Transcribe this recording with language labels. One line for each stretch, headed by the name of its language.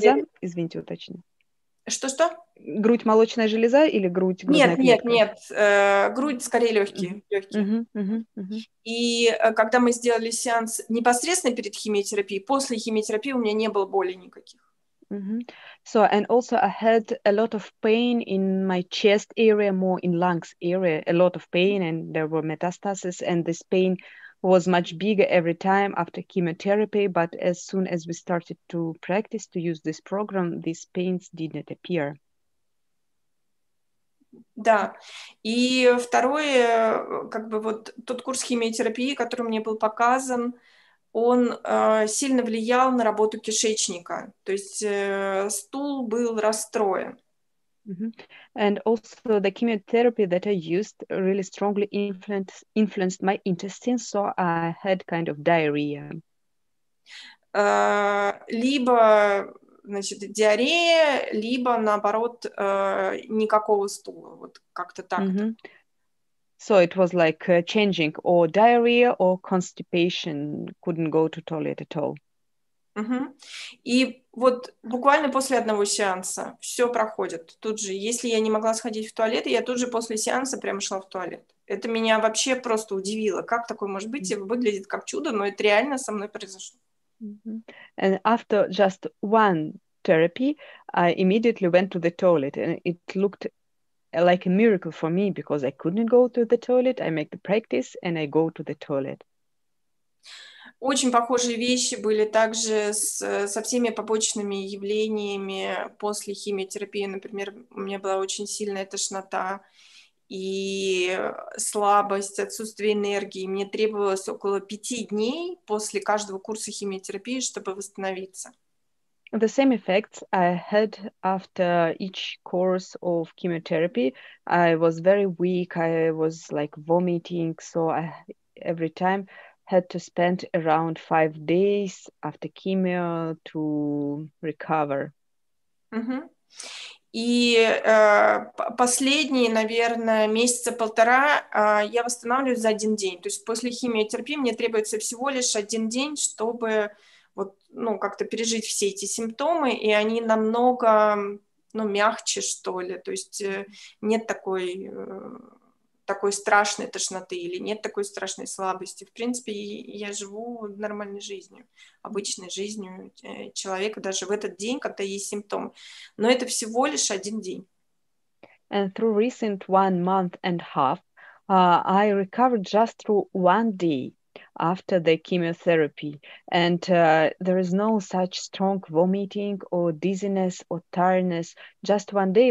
Russian: железа, извините, уточню. Что-что? Грудь, молочная железа или грудь, грудная Нет, нет, клетка? нет. Грудь скорее легкие, легкие. И когда мы сделали сеанс непосредственно перед химиотерапией, после химиотерапии у меня не было боли никаких.
English: So, and also I had a lot of pain in my chest area, more in lungs area, a lot of pain, and there were metastases, and this pain was much bigger every time after chemotherapy, but as soon as we started to practice to use this program, these pains didn't appear.
Russian: Да. И второе, как бы вот тот курс химиотерапии, который мне был показан, он сильно влиял на работу кишечника. То есть стул был расстроен.
English: And also the chemotherapy that I used really strongly influenced my intestines, so I had kind of diarrhea.
Russian: Либо значит, диарея, либо наоборот, никакого стула. Вот как-то так-то.
English: So it was like changing or diarrhea or constipation, couldn't go to toilet at all.
Russian: И вот буквально после одного сеанса все проходит. Тут же, если я не могла сходить в туалет, я тут же после сеанса прямо шла в туалет. Это меня вообще просто удивило. Как такое может быть? И выглядит как чудо, но это реально со мной произошло.
English: And after just one therapy, I immediately went to the toilet, and it looked like a miracle for me because I couldn't go to the toilet. I make the practice and I go to the toilet.
Russian: Очень похожие вещи были также со всеми побочными явлениями после химиотерапии. Например, у меня была очень сильная тошнота и слабость, отсутствие энергии. Мне требовалось около 5 дней после каждого курса химиотерапии, чтобы восстановиться.
English: The same effects I had after each course of chemotherapy. I was very weak. I was like vomiting. So I every time had to spend around 5 days after chemo to recover.
Russian: И последние, наверное, месяца полтора я восстанавливаюсь за 1 день. То есть после химиотерапии мне требуется всего лишь 1 день, чтобы вот, ну, как-то пережить все эти симптомы, и они намного, ну, мягче, что ли. То есть нет такой страшной тошноты или нет такой страшной слабости. В принципе, я живу нормальной жизнью, обычной жизнью человека, даже в этот день, когда есть симптомы. Но это всего лишь 1 день.
English: And through recent 1 month and half, I recovered just through 1 day after the chemotherapy. And there is no such strong vomiting or dizziness or tiredness, just 1 day.